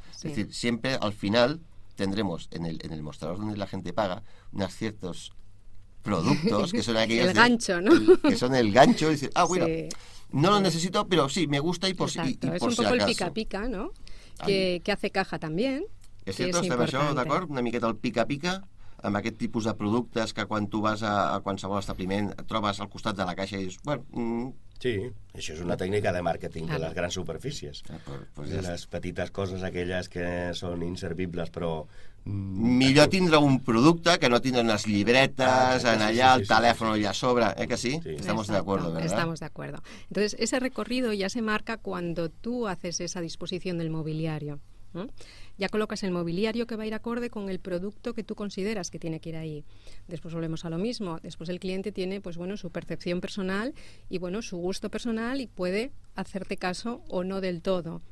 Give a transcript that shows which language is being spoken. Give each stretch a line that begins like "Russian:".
Spanish: Sí. Es decir, siempre al final tendremos en el mostrador donde la gente paga unos ciertos productos que son aquellos... que son el gancho. Y decir, ah, bueno, sí. No lo necesito, pero sí, me gusta y por si acaso. Exacto, es un poco el pica-pica, ¿no? Que hace caja también.
Catalan: És cert, estem això, d'acord? Una miqueta el pica-pica, amb aquest tipus de productes que quan tu vas a qualsevol establiment trobes al costat de la caixa i dius, bueno... Sí, això és una tècnica de màrqueting de les grans superfícies. De les petites coses aquelles que són inservibles, però... Millor tindre un producte que no tindre unes llibretes, allà el telèfon allà a sobre, eh que sí?
Spanish: Estamos de acuerdo, ¿verdad? Estamos de acuerdo. Entonces, ese recorrido ya se marca cuando tú haces esa disposición del mobiliario. Ya colocas el mobiliario que va a ir acorde con el producto que tú consideras que tiene que ir ahí. Después volvemos a lo mismo. Después el cliente tiene, pues bueno, su percepción personal y, bueno, su gusto personal y puede hacerte caso o no del todo.